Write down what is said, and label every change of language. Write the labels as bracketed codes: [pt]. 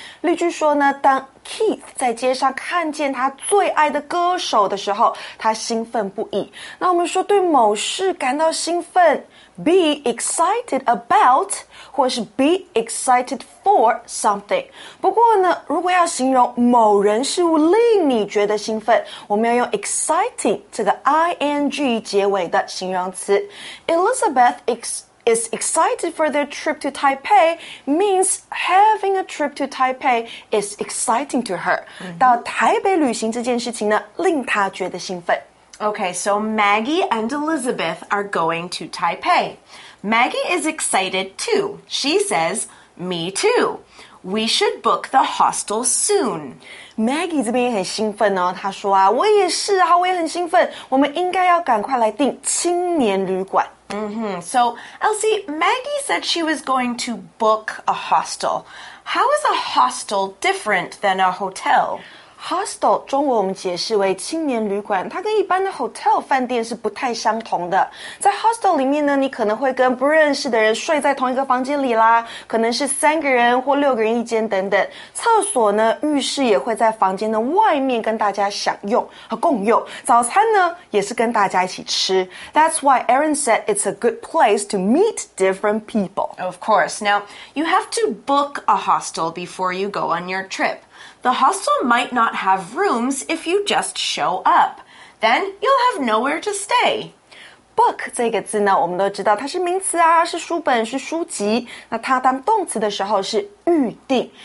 [zh] 例句说呢，当 Keith 在街上看见他最爱的歌手的时候，他兴奋不已。那我们说对某事感到兴奋。 [en] Be excited about, [zh] 或是 [en] be excited for something. [zh] 不过呢，如果要形容某人事物令你觉得兴奋，我们要用 exciting 这个 ing 结尾的形容词。 [en] Elizabeth is excited for their trip to Taipei means having a trip to Taipei is exciting to her.、Mm-hmm. [zh] 到台北旅行这件事情呢，令她觉得兴奋。 [en] Okay, so Maggie and Elizabeth are going to Taipei. Maggie is excited too. She says, me too. We should book the hostel soon. [zh] Maggie 这边也很兴奋哦。她说啊，我也是啊，我也很兴奋。我们应该要赶快来订青年旅馆。 Mm-hmm. [en] So, Elsie, Maggie said she was going to book a hostel. How is a hostel different than a hotel? [zh] Hostel 中文我们解释为青年旅馆，它跟一般的 hotel 饭店是不太相同的。在 hostel 里面呢，你可能会跟不认识的人睡在同一个房间里啦，可能是三个人或六个人一间等等。厕所呢，浴室也会在房间的外面跟大家享用和共用。早餐呢，也是跟大家一起吃。 [en] That's why Aaron said it's a good place to meet different people. Of course. Now, you have to book a hostel before you go on your trip. The hostel might not have rooms if you just show up. Then you'll have nowhere to stay. [zh] Book 这个字呢，我们都知道它是名词啊，是书本，是书籍。那它当动词的时候是预定。